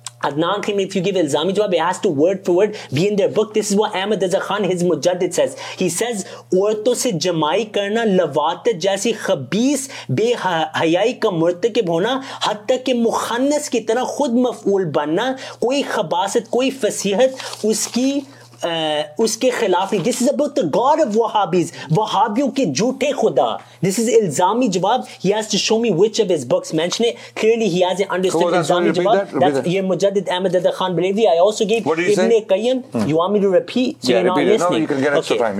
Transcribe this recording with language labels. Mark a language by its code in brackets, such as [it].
[en] Adnan Karim, if you give Ilzami Jawab, it has to word for word be in their book. This is what Ahmed Azhar Khan, his Mujaddid, says. He says, [ur] عورتوں سے جمائی کرنا لواتت جیسی خبیث بے حیائی کا مرتکب ہونا حتی کہ مخنث کی طرح خود مفعول بننا کوئی خباست کوئی فصیحت اس کی uske khilaf. [en] This is about the god of Wahhabis, [ur] Wahhabiyon ke jhoote khuda. [en] This is Ilzami Jawab. He has to show me which of his books mention it. Clearly he hasn't understood Ilzami Jawab. That's your Mujaddid Ahmed Azhar Khan Bareilvi. I also gave Ibn Qayyim. You want me to repeat? So yeah, you're not repeat. No, you can get extra time.